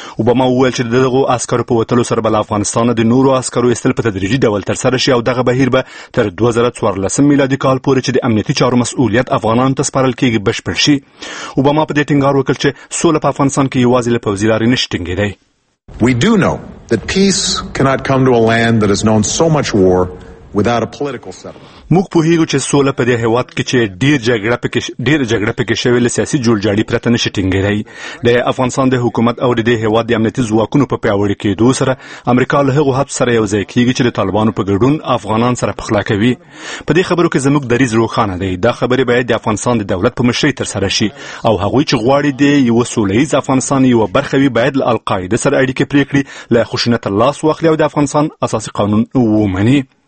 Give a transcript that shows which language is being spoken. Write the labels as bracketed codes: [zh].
[ps] اوباما وویل چې د دغو عسکرو په وتلو سره به له افغانستانه د نورو عسکرو ایستل په تدریجي ډول ترسره شي او دغه بهیر به تر 2014 میلادي کال پورې چې د امنیتي چارو مسؤلیت افغانانو ته سپارل کېږي بشپړ شي. اوباما په دې ټینګار وکړ چې سوله په افغانستان کې یوازې له پوځیلارۍ نه شتنګې دی. [en] We do know that peace cannot come to a land that has known so much war without a political settlement. [ps] موږ پوهیږو چې سوله په دې هیواد کې چې ډیر جګړه پکې شویل سیاسي جوړجاړي پرته نشي ټینګېدای. د افغانستان د حکومت او د هیواد د امنیتي ځواکونو په پیاوړي کېدو سره امریکا له هغو حد سره یو ځای کیږي چې د طالبانو په ګډون افغانان سره پخلا کوي. په دې خبرو کې زموږ دریځ روښانه دی. دا خبرې باید د افغانستان د دولت په مشرۍ ترسره شي او هغوی چې غواړي د یو سوله ییز افغانستان یوه برخه وي باید له القاعده سره اړیکې پرې کړي، له خشونت لاس واخلي او د افغانستان اساسي قانون ومني.